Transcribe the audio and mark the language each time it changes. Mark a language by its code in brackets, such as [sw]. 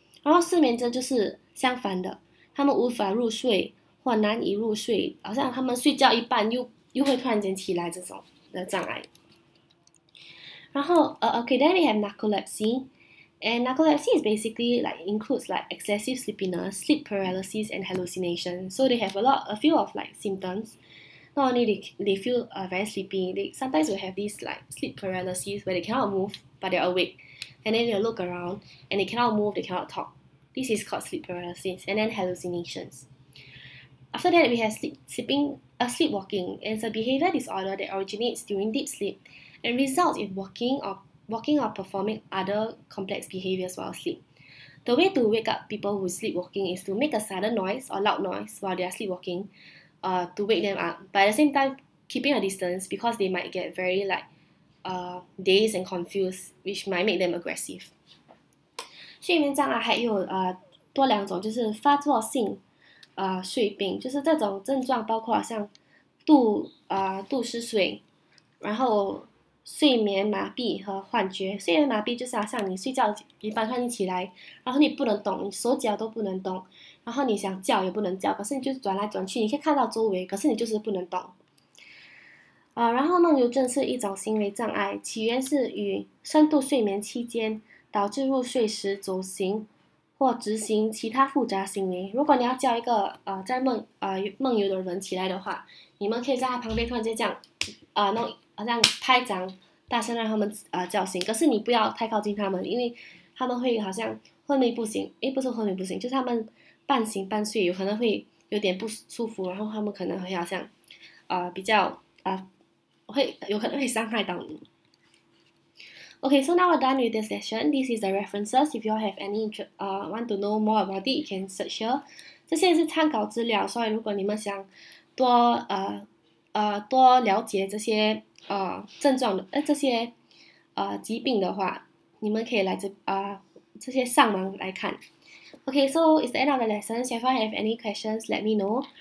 [zh] 然后失眠症就是相反的，他们无法入睡或难以入睡，好像他们睡觉一半又会突然间起来这种的障碍。 [en] 然后then we have narcolepsy。 And narcolepsy is basically like includes like excessive sleepiness, sleep paralysis, and hallucination. So they have a few of like symptoms. Not only they feel very sleepy, they sometimes will have these like sleep paralysis where they cannot move but they're awake. And then they look around and they cannot move, they cannot talk. This is called sleep paralysis, and then hallucinations. After that, we have sleepwalking. It's a behavior disorder that originates during deep sleep and results in walking or performing other complex behaviors while asleep. The way to wake up people who sleepwalking is to make a sudden noise or loud noise while they are sleepwalking to wake them up, but at the same time keeping a distance because they might get very like dazed and confused, which might make them aggressive. [zh] 睡眠障碍还有多两种，就是发作性睡病，就是这种症状包括像度失睡，然后睡眠麻痹和幻觉。睡眠麻痹就是好像你睡觉一半突然起来，然后你不能动，你手脚都不能动，然后你想叫也不能叫，可是你就转来转去，你可以看到周围，可是你就是不能动。然后梦游症是一种行为障碍，起源是与深度睡眠期间导致入睡时走行或执行其他复杂行为。如果你要叫一个在梦游的人起来的话，你们可以在他旁边突然间这样弄。好像拍掌大声让他们叫醒，可是你不要太靠近他们，因为他们会好像昏迷不醒，不是昏迷不醒，就是他们半醒半睡，有可能会有点不舒服，然后他们可能会好像比较会有可能会伤害到你。 [en] Okay, so now we're done with this session. This is the references. If you all have any want to know more about it, you can search here. [zh] 这些是参考资料，所以如果你们想多了解这些症状的这些疾病的话，你们可以来这些上网来看。 [en] Okay, so it's the end of the lesson. So if I have any questions, let me know.